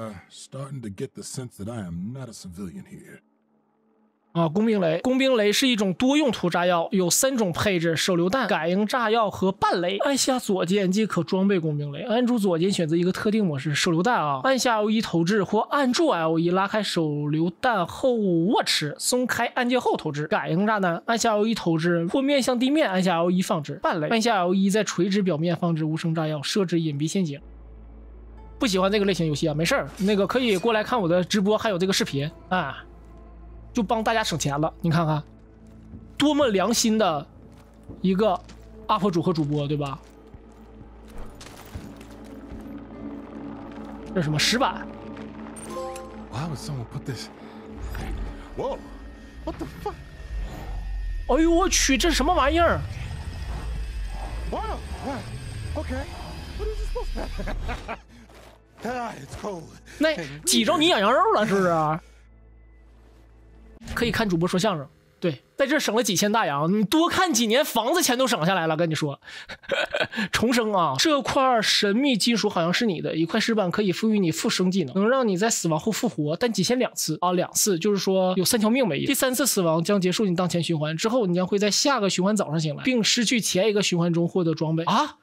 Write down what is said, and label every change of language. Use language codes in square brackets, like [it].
[en] Starting to get the sense that I am not a civilian here. [zh] 工兵雷，工兵雷是一种多用途炸药，有三种配置：手榴弹、感应炸药和半雷。按下左键即可装备工兵雷。按住左键选择一个特定模式，手榴弹啊。按下 L1 投掷或按住 L1 拉开手榴弹后握持，松开按键后投掷。感应炸弹，按下 L1 投掷或面向地面按下 L1 放置。半雷，按下 L1 在垂直表面放置无声炸药，设置隐蔽陷阱。不喜欢这个类型游戏啊，没事儿，那个可以过来看我的直播，还有这个视频啊。就帮大家省钱了。你看看，多么良心的一个 UP 主和主播，对吧？这是什么石板 [en] ？Why would someone put this? Whoa, what the fuck? [zh] 哎呦我去，这是什么玩意儿 [en] ？Wow, okay, what is this supposed to be? It's cold. [zh] 那挤着你痒痒肉了是不是？可以看主播说相声。对，在这省了几千大洋，你多看几年房子钱都省下来了，跟你说。重生啊，这块神秘金属好像是你的一块石板，可以赋予你复生技能，能让你在死亡后复活，但仅限两次啊，两次就是说有三条命没了。第三次死亡将结束你当前循环，之后你将会在下个循环早上醒来，并失去前一个循环中获得装备啊。